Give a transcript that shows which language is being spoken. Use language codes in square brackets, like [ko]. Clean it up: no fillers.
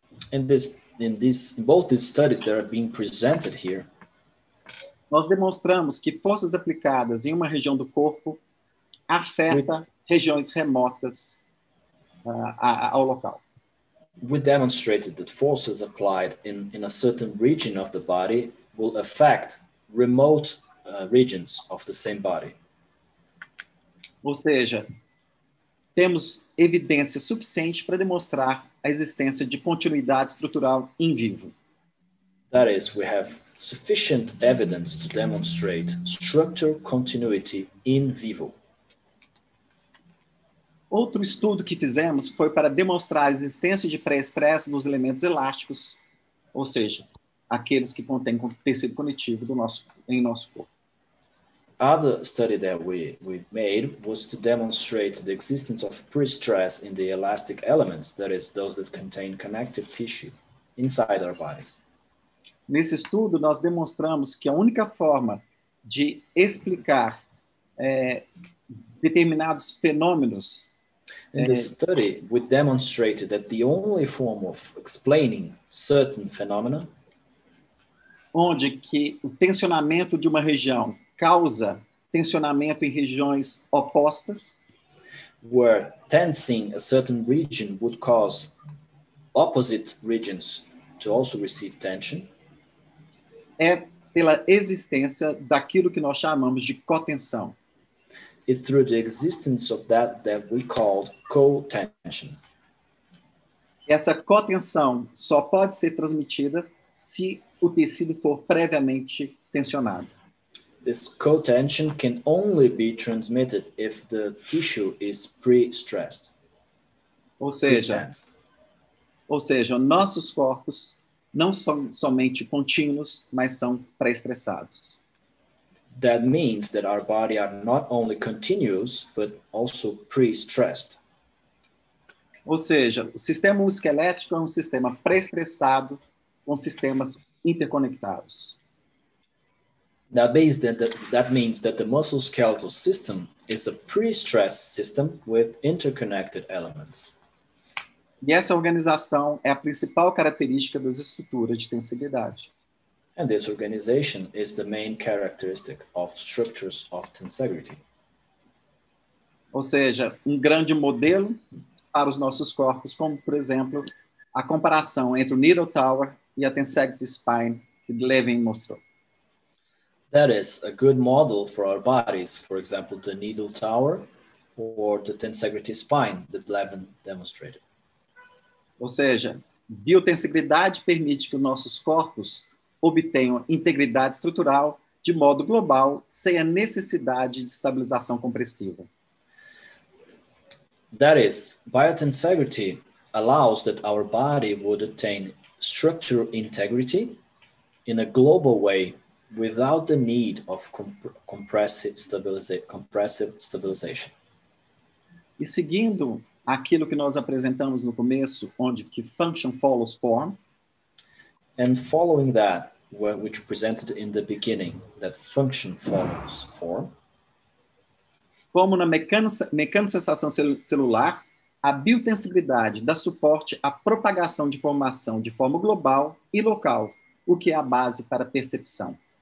[en] in both these studies that are being presented here, [pt] nós demonstramos que forças aplicadas em uma região do corpo afeta regiões remotas ao local. [en] We demonstrated that forces applied in a certain region of the body will affect remote regions of the same body. [pt] Ou seja, temos evidência suficiente para demonstrar a existência de continuidade estrutural em vivo. [en] That is, we have sufficient evidence to demonstrate structural continuity in vivo. [pt] Outro estudo que fizemos foi para demonstrar a existência de pré-estresse nos elementos elásticos, ou seja, aqueles que contêm tecido conectivo em nosso corpo. [en] Other study that we made was to demonstrate the existence of pre-stress in the elastic elements, that is, those that contain connective tissue inside our bodies. [pt] Nesse estudo, nós demonstramos que a única forma de explicar determinados fenômenos. [en] In this study, we demonstrated that the only form of explaining certain phenomena, [pt] onde que o tensionamento de uma região causa tensionamento em regiões opostas, [en] where tensing a certain region would cause opposite regions to also receive tension, [pt] é pela existência daquilo que nós chamamos de cotensão. [en] It's through the existence of that we called cotension. [pt] Essa cotensão só pode ser transmitida se o tecido for previamente tensionado. [en] This cotension can only be transmitted if the tissue is pre-stressed. [pt] Ou seja, nossos corpos não são somente contínuos, mas são pré-estressados. [en] That means that our body are not only continuous, but also pre-stressed. [pt] Ou seja, o sistema musculoesquelético é um sistema pré-estressado com sistemas interconectados. [en] That means that the muscle skeletal system is a pre-stressed system with interconnected elements. [pt] E essa organização é a principal característica das estruturas de tensibilidade. [en] And this organization is the main characteristic of structures of tensegrity. [pt] Ou seja, grande modelo para os nossos corpos, como, por exemplo, a comparação entre o Needle Tower e a tensegrity spine que Levin mostrou. [en] That is a good model for our bodies, for example, the Needle Tower or the tensegrity spine that Levin demonstrated. [pt] Ou seja, biotensibilidade permite que os nossos corpos obtenham integridade estrutural de modo global sem a necessidade de estabilização compressiva. [en] That is, biotensegrity allows that our body would attain structural integrity in a global way without the need of compressive stabilization. [pt] E seguindo aquilo que nós apresentamos no começo, onde que [en] function follows form, and following that, which presented in the beginning, that function follows form. [pt] Como na mecanossensação celular, a biotensibilidade dá suporte à propagação de formação de forma global e local, o que é a base para a percepção.